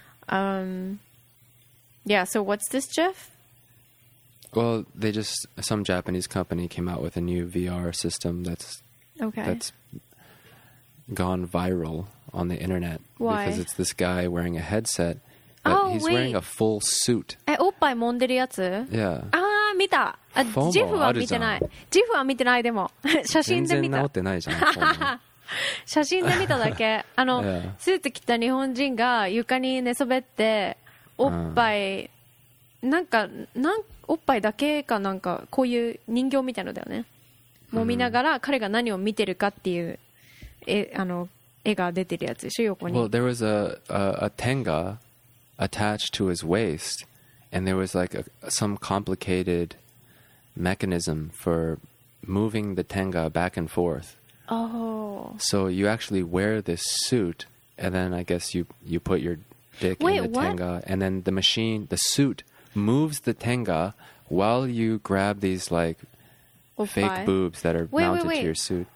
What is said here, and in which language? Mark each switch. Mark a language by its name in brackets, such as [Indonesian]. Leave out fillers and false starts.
[English] Yeah, so what's this, Jeff? Well, some Japanese company came out with a new VR system that's gone viral on the internet. Why? Because it's this guy wearing a headset, but oh, he's wait. Wearing a full suit. [Japanese] え、おっぱい揉んでるやつ? [English] Yeah. [Japanese] あー、見た。あ、ジフは見てない。ジフは見てないでも。写真で見た。全然治ってないじゃん。写真で見ただけ。あの、スーツ着た日本人が床に寝そべって、おっぱい、なんか、おっぱいだけかなんかこういう人形みたいのだよね。揉みながら彼が何を見てるかっていう絵、あの絵が出てるやつでしょ横に。 [English] Well, there was a tenga attached to his waist, And there was like some complicated mechanism for moving the tenga back and forth. Oh. So you actually wear this suit, and then I guess you put your dick tenga, and then the suit moves the tenga while you grab these like fake boobs that are mounted to your suit.